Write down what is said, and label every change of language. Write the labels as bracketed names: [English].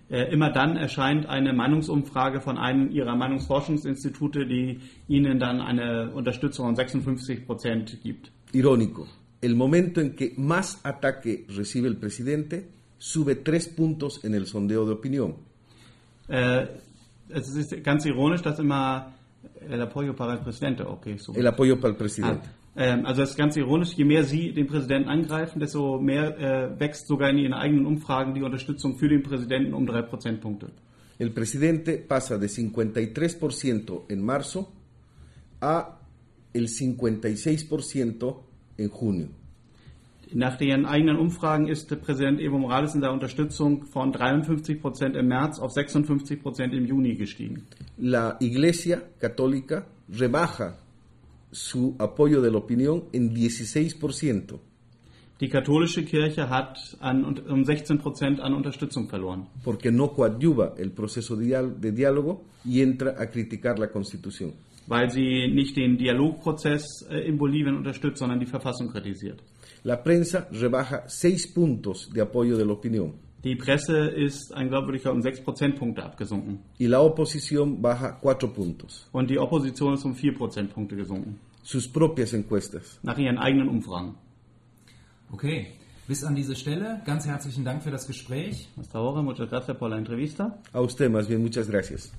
[German] Immer dann erscheint eine Meinungsumfrage von einem ihrer Meinungsforschungsinstitute, die ihnen dann eine Unterstützung von 56% gibt. [Spanish] Irónico. El momento en que más ataque recibe el presidente, sube 3 puntos en el sondeo de opinión. [German] Es ist ganz ironisch, dass immer [Spanish] el apoyo para el presidente, [German] okay, [Spanish] sube. El apoyo para el presidente. [German] Also es ist ganz ironisch, je mehr Sie den Präsidenten angreifen, desto mehr wächst sogar in Ihren eigenen Umfragen die Unterstützung für den Präsidenten um 3 Prozentpunkte. [Spanish] El presidente pasa de 53% en marzo a el 56% en junio. [German] Nach Ihren eigenen Umfragen ist Präsident Evo Morales in seiner Unterstützung von 53% im März auf 56% im Juni gestiegen. [Spanish] La Iglesia Católica rebaja su apoyo de la opinión en 16%. [German] Die katholische Kirche hat um 16% an Unterstützung verloren. [Spanish] Porque no coadyuva el proceso de diálogo y entra a criticar la Constitución. [German] Weil sie nicht den Dialogprozess in Bolivien unterstützt, sondern die Verfassung kritisiert. [Spanish] La prensa rebaja 6 puntos de apoyo de la opinión. [German] Die Presse ist ein glaubwürdiger um 6 Prozentpunkte abgesunken. [Spanish] Y la oposición baja 4 puntos. [German] Und die Opposition ist um 4 Prozentpunkte gesunken. [Spanish] Sus propias encuestas. [German] Nach ihren eigenen Umfragen. Okay, bis an diese Stelle. Ganz herzlichen Dank für das Gespräch. [Spanish] Hasta ahora, muchas gracias por la entrevista. A usted, más bien, muchas gracias.